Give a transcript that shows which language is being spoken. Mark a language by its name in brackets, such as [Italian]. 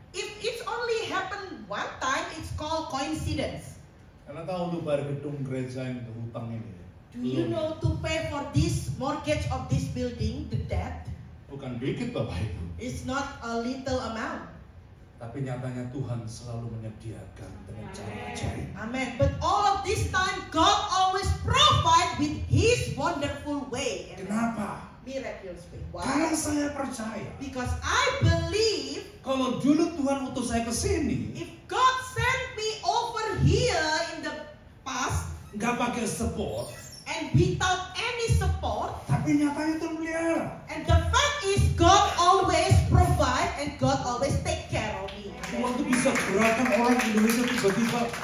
[English] If it's only happen one time, it's called coincidence. [Indonesian] Karena tahu untuk bayar gedung gereja yang berhutang ini. [English] You know to pay for this mortgage of this building, the debt? [Indonesian] Bukan dikit, Bapak itu. [English] It's not a little amount. [Indonesian] Tapi nyatanya Tuhan selalu menyediakan dengan cara-cara. Amen. [English] But all of this time, God always provide with His wonderful way. Amen. [Indonesian] Kenapa? [English] Miraculous way. Why? [Indonesian] Karena saya percaya. [English] Because I believe. [Indonesian] Kalau dulu Tuhan utus saya ke sini. [English] If God sent me over here in the past. [Indonesian] Gak pakai support. [English] And without any support. [Indonesian] Tapi nyatanya Tuhan melihara. [English] And the fact is, God always provide and God always take care. [Indonesian] Tuhan itu bisa gerakan orang Indonesia tiba-tiba.